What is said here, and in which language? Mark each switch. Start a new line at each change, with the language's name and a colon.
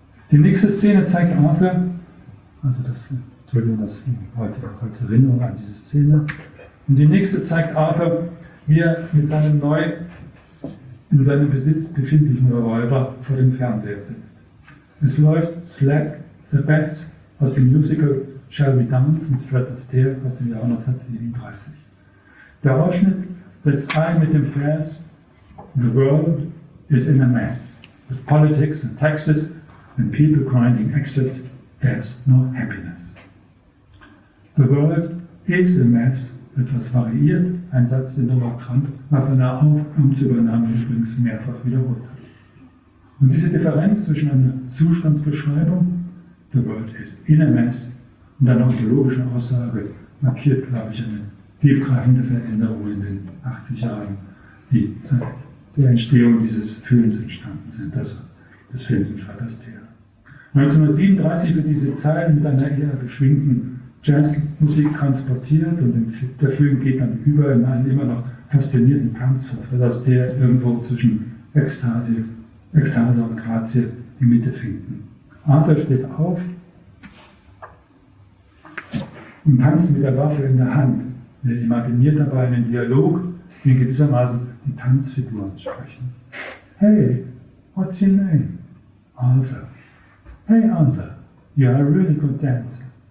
German: Die nächste Szene zeigt Arthur, also das, Entschuldigung, das heute auch als Erinnerung an diese Szene, und die nächste zeigt Arthur, wie er mit seinem neu in seinem Besitz befindlichen Revolver vor dem Fernseher sitzt. Es läuft Slap the Bass aus dem Musical Shall We Dance mit Fred Astaire aus dem Jahr 1937. Der Ausschnitt setzt ein mit dem Vers
English: The world is in a mess. With politics and taxes and people grinding excess, there's no happiness. The world is a mess.
German: Etwas variiert, ein Satz, den Noah Kramp nach seiner Amtsübernahme übrigens mehrfach wiederholt hat. Und diese Differenz zwischen einer Zustandsbeschreibung,
English: the world is in a mess,
German: und einer ontologischen Aussage markiert, glaube ich, eine tiefgreifende Veränderung in den 80 Jahren, die seit der Entstehung dieses Films entstanden sind, also des Films von Fred Astaire. 1937 wird diese Zeile mit einer eher beschwingten Jazzmusik transportiert und der Film geht dann über in einen immer noch faszinierten Tanz von Fred Astaire irgendwo zwischen Ekstase und Grazie die Mitte finden. Arthur steht auf und tanzt mit der Waffe in der Hand. Er imaginiert dabei einen Dialog, den gewissermaßen die Tanzfiguren sprechen.
English: Hey, what's your name? Arthur. Hey Arthur, you are a really good dancer.